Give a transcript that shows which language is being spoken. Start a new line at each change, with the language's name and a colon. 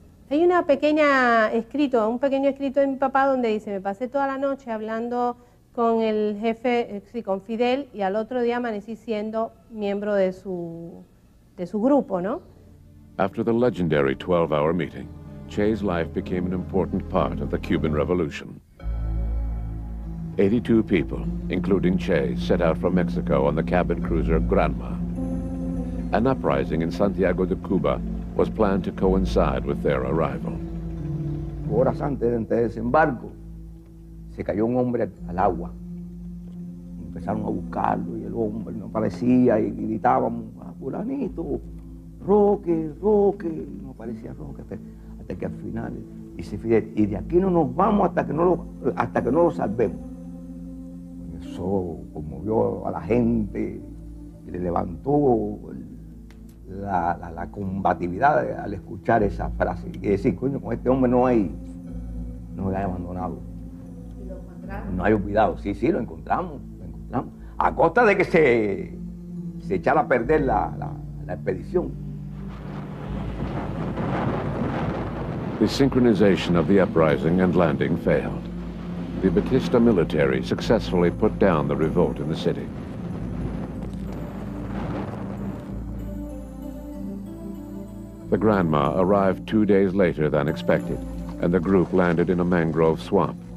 Spanish: Hay una pequeña escrito, un pequeño escrito de mi papá donde dice, me pasé toda la noche hablando con el jefe, sí, con Fidel, y al otro día amanecí siendo miembro de su grupo, ¿no?
English: After the legendary 12-hour meeting, Che's life became an important part of the Cuban Revolution. 82 people, including Che, set out from Mexico on the cabin cruiser Granma. An uprising in Santiago de Cuba was planned to coincide with their arrival.
Spanish: Horas antes de entrar en desembarco, se cayó un hombre al agua. Empezaron a buscarlo y el hombre no aparecía y gritábamos, ah, fulanito, Roque, Roque, no aparecía Roque. Hasta que al final, dice Fidel, y de aquí no nos vamos hasta que no lo salvemos. Eso conmovió a la gente, y le levantó la combatividad al escuchar esa frase. Y decir, coño, con este hombre no hay abandonado. No hay olvidado. Sí, sí, lo encontramos. A costa de que se echara a perder la expedición.
English: The synchronization of the uprising and landing failed. The Batista military successfully put down the revolt in the city. The Granma arrived 2 days later than expected, and the group landed in a mangrove swamp.